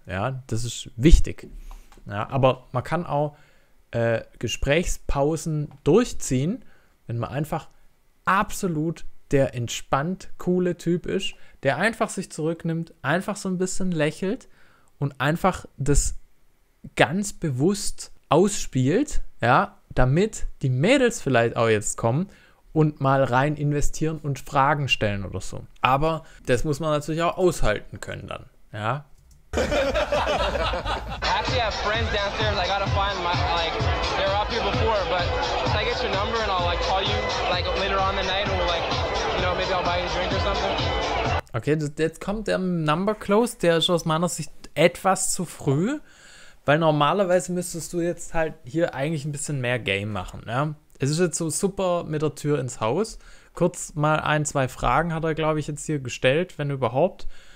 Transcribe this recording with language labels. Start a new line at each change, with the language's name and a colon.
German: Ja, das ist wichtig. Ja, aber man kann auch Gesprächspausen durchziehen, wenn man einfach absolut der entspannt coole Typ ist, der einfach sich zurücknimmt, einfach so ein bisschen lächelt und einfach das ganz bewusst ausspielt, ja, damit die Mädels vielleicht auch jetzt kommen und mal rein investieren und Fragen stellen oder so. Aber das muss man natürlich auch aushalten können dann, ja?
English: I actually have friends downstairs, I gotta find my, like, they were up here before, but if I get your number and I'll, like, call you, like, later on the night and we'll, like, you know, maybe I'll buy you a drink or something.
German: Okay, jetzt kommt der Number Close, der ist aus meiner Sicht etwas zu früh. Weil normalerweise müsstest du jetzt halt hier eigentlich ein bisschen mehr Game machen, ja. Es ist jetzt so super mit der Tür ins Haus. Kurz mal ein, zwei Fragen hat er, glaube ich, jetzt hier gestellt, wenn überhaupt.